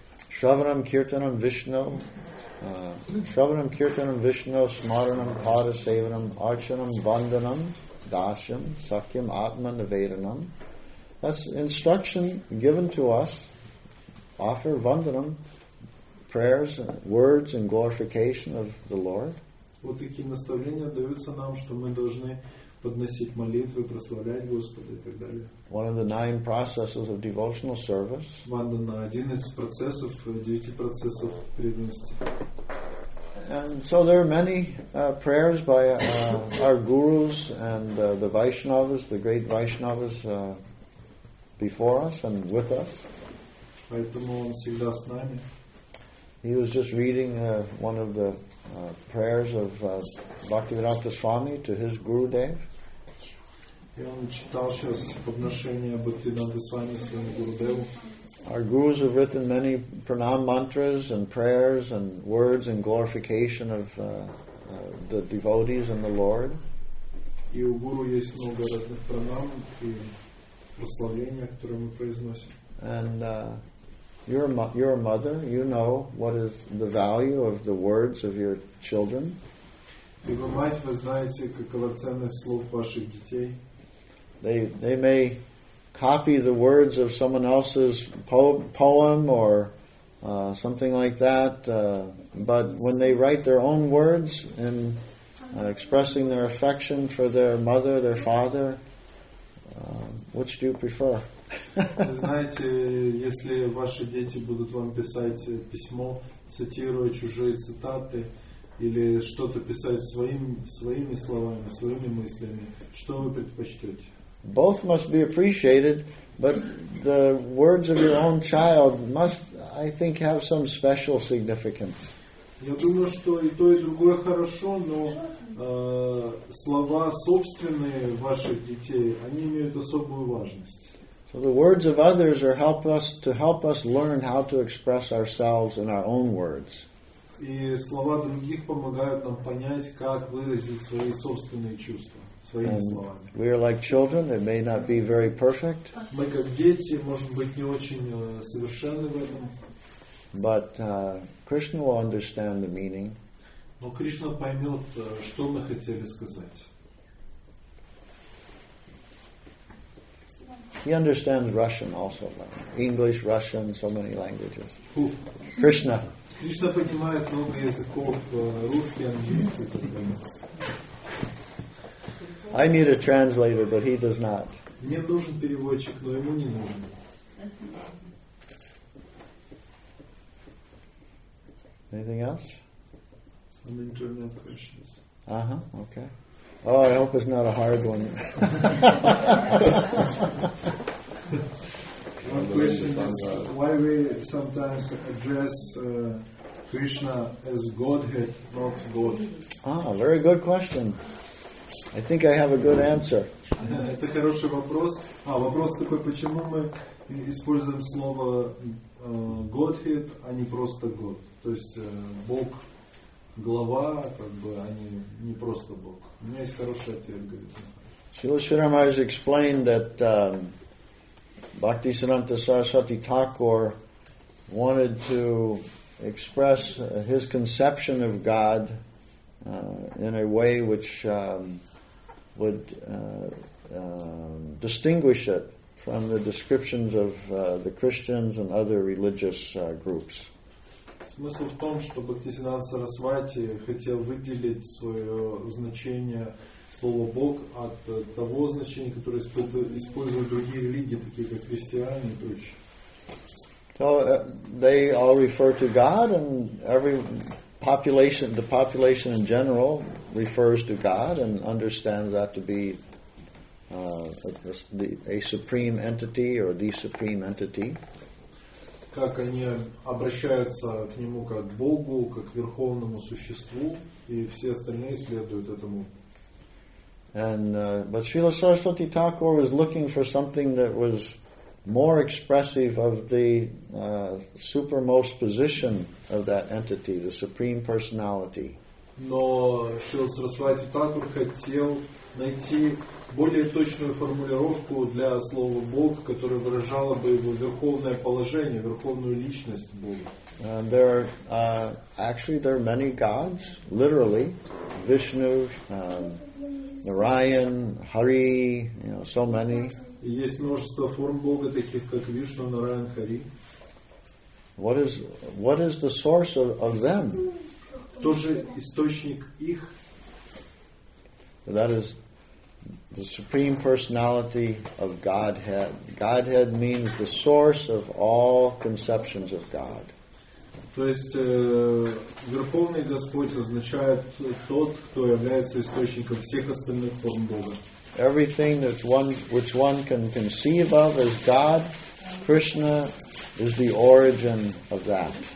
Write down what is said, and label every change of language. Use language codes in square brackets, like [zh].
[sa] Shravanam Kirtanam Vishnu. Shravanam Kirtanam Vishnu Smaranam Pada Sevanam Archanam Vandanam Dasyam Sakyam Atma Nivedanam. [en] That's instruction given to us. Offer Vandanam, prayers, words, and glorification of the Lord. [ru] Вот такие наставления даются нам, что мы должны подносить молитвы, прославлять Господа и так далее. [en] One of the nine processes of devotional service. [ru] Вандана – один из процессов, девяти процессов преданности. [en] And so there are many prayers by our gurus and the Vaishnavas, the great Vaishnavas before us and with us. [ru] Поэтому он всегда с нами. [en] He was just reading one of the prayers of Bhaktivedanta Swami to his Gurudev. [ru] И он читал сейчас подношение Бхактивинода Свами своему Гурудеву. [en] Our gurus have written many pranam mantras and prayers and words in glorification of the devotees and the Lord. [ru] И у гуру есть много разных пранам и прославления, которые мы произносим. [en] And you're a mother, you know what is the value of the words of your children. [ru] И вы мать, вы знаете, какова ценность слов ваших детей. [en] They may copy the words of someone else's poem or something like that, but when they write their own words and expressing their affection for their mother, their father, which do you prefer? [ru] Знаете, если ваши дети будут вам писать письмо, цитируя чужие цитаты, или что-то писать своими словами, своими мыслями, что вы предпочтете? [en] Both must be appreciated, but the words of your own child must, I think, have some special significance. [ru] Я думаю, что и то, и другое хорошо, но слова собственные ваших детей, они имеют особую важность. [en] So the words of others are help us learn how to express ourselves in our own words. [ru] И слова других помогают нам понять, как выразить свои собственные чувства. [en] And we are like children, it may not be very perfect. [ru] Мы как дети, может быть, не очень совершенны в этом. [en] But Krishna will understand the meaning. [ru] Но Кришна поймет, что мы хотели сказать. [en] He understands Russian also. English, Russian, so many languages. Krishna. [ru] Кришна понимает много языков, русский, английский. [en] I need a translator, but he does not. [ru] Мне нужен переводчик, но ему не нужен. [en] Anything else? Some internet questions. Uh-huh, okay. Oh, I hope it's not a hard one. One question is, why we sometimes address Krishna as Godhead, not God? Ah, very good question. I think I have a good answer. [ru] Это хороший вопрос. А вопрос такой: почему мы используем слово Godhead, а не просто God? То есть Бог, глава, как бы, а не просто Бог. У меня есть хороший ответ. [en] Srila Sridhar Maharaj explained that Bhaktisiddhanta Saraswati Thakur wanted to express his conception of God in a way which would distinguish it from the descriptions of the Christians and other religious groups. [ru] Смысл в том, что Бхактисиддханта Сарасвати хотел выделить свое значение слова Бог от того значения, которое используют другие религии, такие как христиане и прочее. [en] So they all refer to God, and every population, the population in general, refers to God and understands that to be a supreme entity or the supreme entity. [ru] Как они обращаются к нему как к Богу, как к верховному существу, и все остальные следуют этому. [en] And but Srila Saraswati Thakur was looking for something that was more expressive of the supermost position of that entity, the supreme personality. [ru] Но Шрила Сарасвати Тхакур хотел найти более точную формулировку для слова Бог, которая выражала бы его верховное положение, верховную личность Бога. [en] There are many gods, literally, Vishnu, Narayan, Hari, so many. [ru] Есть множество форм Бога, таких как Вишну, Нараян, Хари. [en] What is the source of them? [ru] Кто же источник их? [en] That is the supreme personality of Godhead. Godhead means the source of all conceptions of God. [ru] То есть Верховный Господь означает тот, кто является источником всех остальных форм Бога. [en] Everything that which one can conceive of as God, Krishna is the origin of that.